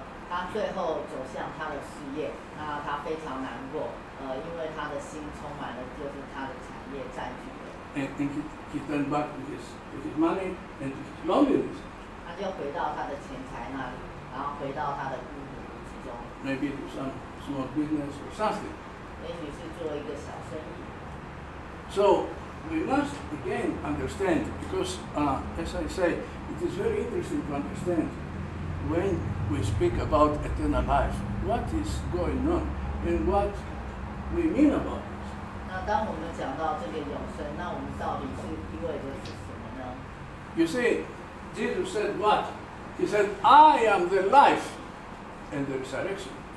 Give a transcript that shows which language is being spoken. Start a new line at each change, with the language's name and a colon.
Chinese: 他最后走向他的事业，那他非常难过，因为他的心充满了就是他的产业占据了。
English: And then he turned back to his money and to his loneliness.
Chinese: 他就回到他的钱财那里。然后回到他的孤独之中。
English: Maybe it was some small business or something.
Chinese: 也许是做一个小生意。
English: So we must again understand, because, as I say, it is very interesting to understand when we speak about eternal life, what is going on and what we mean about this.
Chinese: 那当我们讲到这个永生，那我们到底是意味着是什么呢？
English: You see, Jesus said what? He said, I am the life and the resurrection.